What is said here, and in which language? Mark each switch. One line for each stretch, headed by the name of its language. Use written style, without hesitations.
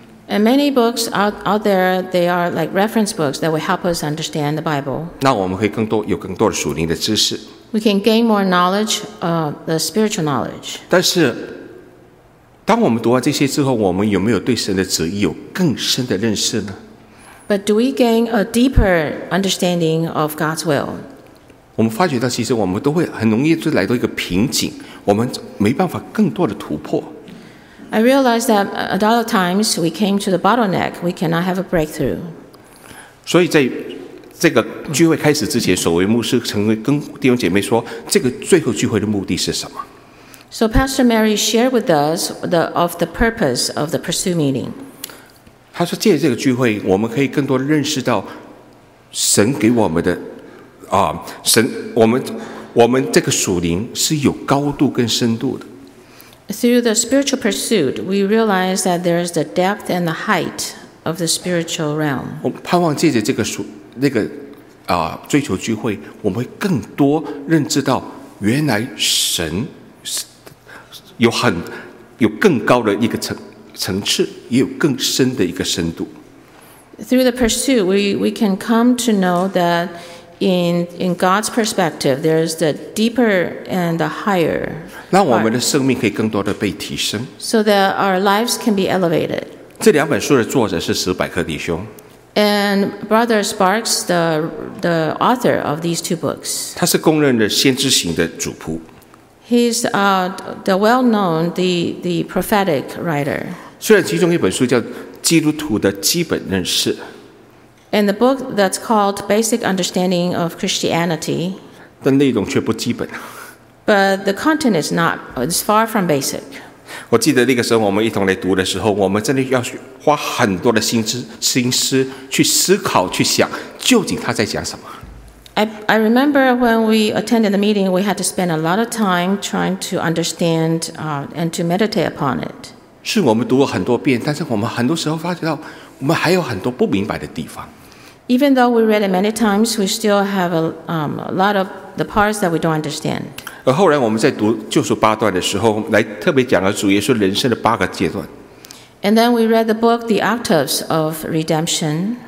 English: And many books out there, they are like reference books that will help us understand the Bible.
Chinese: 那我们可以有更多的属灵的知识。
English: We can gain more knowledge, the spiritual knowledge.
Chinese: 但是当我们读完这些之后，我们有没有对神的旨意有更深的认识呢？
English: But do we gain a deeper understanding of God's will?
Chinese: 我们发觉到其实我们都会很容易就来到一个瓶颈，我们没办法更多的突破。
English: I realize that a lot of times we came to the bottleneck, we cannot have a breakthrough.
Chinese: 所以在这个聚会开始之前，守卫牧师曾跟弟兄姐妹说，这个最后聚会的目的是什么？
English: So Pastor Mary shared with us of the purpose of the pursue meeting.
Chinese: 他说：“借这个聚会，我们可以更多认识到神给我们的啊，神我们这个属灵是有高度跟深度的。
English: Through the spiritual pursuit, we realize that there is the depth and the height of the spiritual realm.
Chinese: 我盼望借着这个属那个啊追求聚会，我们会更多认知到原来神有很有更高的一个层次，也有更深的一个深度。
English: Through the pursuit, we can come to know that in God's perspective, there's the deeper and the higher.
Chinese: 让我们的生命可以更多的被提升。
English: So that our lives can be elevated.
Chinese: 这两本书的作者是史百克弟兄。
English: And Brother Sparks, the author of these two books.
Chinese: 他是公认的先知型的主仆。
English: He's the well-known the prophetic writer.
Chinese: 虽然其中一本书叫基督徒的基本认识。
English: And the book that's called Basic Understanding of Christianity.
Chinese: 但内容却不基本。
English: But the content is not, it's far from basic.
Chinese: 我记得那个时候我们一同来读的时候，我们真的要花很多的心思去思考，去想究竟他在讲什么。
English: I remember when we attended the meeting, we had to spend a lot of time trying to understand and to meditate upon it.
Chinese: 是我们读了很多遍，但是我们很多时候发觉到我们还有很多不明白的地方。
English: Even though we read it many times, we still have a lot of the parts that we don't understand.
Chinese: 而后来我们在读救赎八段的时候，来特别讲了主耶稣人生的八个阶段。
English: And then we read the book, The Octaves of Redemption.